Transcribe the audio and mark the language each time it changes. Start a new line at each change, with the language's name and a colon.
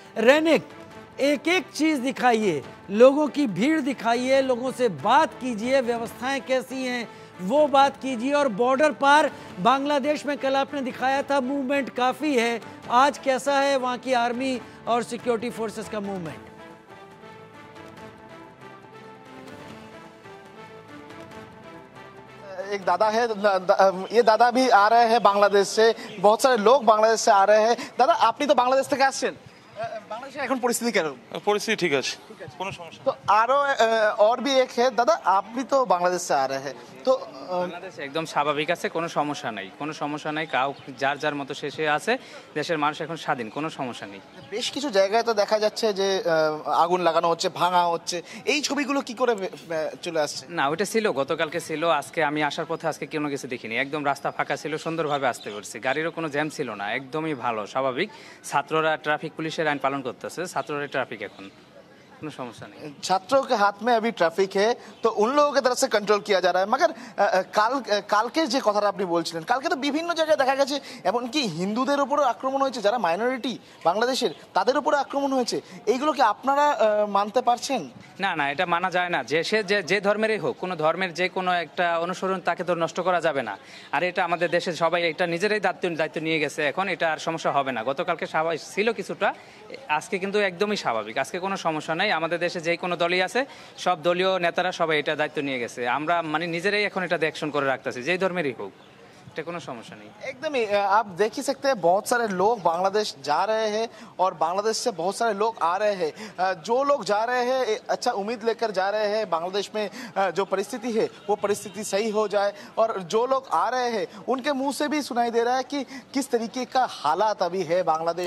Hindi: रैनिक, एक एक चीज़ दिखाइए, लोगों की भीड़ दिखाइए, लोगों से बात कीजिए, व्यवस्थाएं कैसी हैं वो बात कीजिए, और बॉर्डर पार बांग्लादेश में कल आपने दिखाया था मूवमेंट काफ़ी है, आज कैसा है वहाँ की आर्मी और सिक्योरिटी फोर्सेस का मूवमेंट? एक दादा है, ये दादा भी आ रहे हैं बांग्लादेश से, बहुत सारे लोग बांग्लादेश से आ रहे हैं। दादा आपने तो बांग्लादेश से क्या सीन?
Bangla: বাংলাদেশে এখন পরিস্থিতি কেমন? পরিস্থিতি ঠিক আছে, কোনো সমস্যা।
Hindi: তো আরো আর ভি এক হ্যায় দাদা, আপনি তো বাংলাদেশে আ রহে, তো
Bangla: বাংলাদেশ একদম স্বাভাবিক আছে, কোনো সমস্যা নাই, কোনো সমস্যা নাই, কাউ যার যার মতো শেষে আছে, দেশের মানুষ এখন স্বাধীন, কোনো সমস্যা নাই। বেশ কিছু জায়গায় তো দেখা যাচ্ছে যে আগুন লাগানো হচ্ছে, ভাঙা হচ্ছে, এই ছবিগুলো কি করে চলে আসছে? না, ওটা ছিল গতকালকে, ছিল আজকে, আমি আসার পথে আজকে কোনো কিছু দেখিনি, একদম রাস্তা ফাঁকা ছিল, সুন্দরভাবে আসতে পারছি, গাড়িরও কোনো জ্যাম ছিল না, একদমই ভালো, স্বাভাবিক। ছাত্ররা ট্রাফিক পুলিশের আইন পালন করতেছে, ছাত্ররা ট্রাফিক এখন, কোনো সমস্যা নেই।
Hindi: ছাত্রों के हाथ में अभी ट्रैफिक है, तो उन लोगों के तरफ से कंट्रोल किया जा रहा है।
Bangla: मगर কালকে যে কথাটা আপনি বলছিলেন, কালকে তো বিভিন্ন জায়গায় দেখা গেছে এমনকি হিন্দুদের উপরও আক্রমণ হয়েছে, যারা মাইনরিটি বাংলাদেশের তাদের উপরও আক্রমণ হয়েছে, এইগুলো কি আপনারা মানতে পারছেন? না না, এটা মানা যায় না, যে সে যে ধর্মেরই হোক, কোনো ধর্মের যে কোনো একটা অনুসরণ তাকে তো নষ্ট করা যাবে না। আর এটা আমাদের দেশে সবাই এটা নিজেরই দায়িত্ব নিয়ে গেছে, এখন এটা আর সমস্যা হবে না। গতকালকে স্বাভাবিক ছিল কিছুটা, আজকে কিন্তু একদমই স্বাভাবিক, আজকে কোনো সমস্যা নাই। আমাদের দেশে যেই কোনো দলই আছে, সব দলীয় নেতারা সবাই এটা দায়িত্ব নিয়ে গেছে, আমরা মানে নিজেরাই এখন এটা অ্যাকশন করে রাখতেছি, যেই ধর্মেরই হোক, এটা কোনো সমস্যা নেই।
Hindi: একদমই, আপ দেখ ही सकते हैं बहुत सारे लोग बांग्लादेश जा रहे हैं और बांग्लादेश से बहुत सारे लोग आ रहे हैं। जो लोग जा रहे हैं अच्छा उम्मीद लेकर जा रहे हैं, बांग्लादेश में जो परिस्थिति है वो परिस्थिति सही हो जाए, और जो लोग आ रहे हैं उनके मुंह से भी सुनाई दे रहा है कि किस तरीके का हालात अभी है बांग्लादेश